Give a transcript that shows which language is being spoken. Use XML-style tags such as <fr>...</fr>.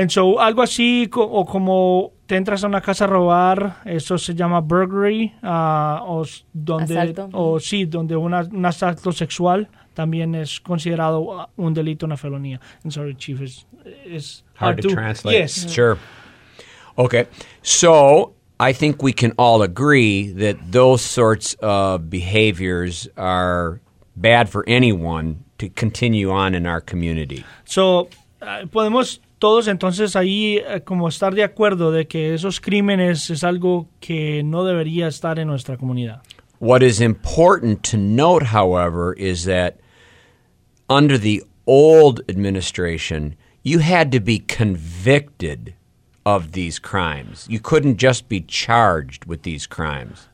<es>En show, algo así o como te entras a una casa a robar, eso se llama burglary, un asalto sexual también es considerado un delito, una felonía.</es> <en>I'm sorry, chief, it's hard to translate. Yes. Sure. Okay. So, I think we can all agree that those sorts of behaviors are bad for anyone to continue on in our community.</en> <es>So, podemos todos entonces ahí como estar de acuerdo de que esos crímenes es algo que no debería estar en nuestra comunidad.</es> <en>What is important to note, however, is that under the old administration, you had to be convicted of these crimes. You couldn't just be charged with these crimes.</en>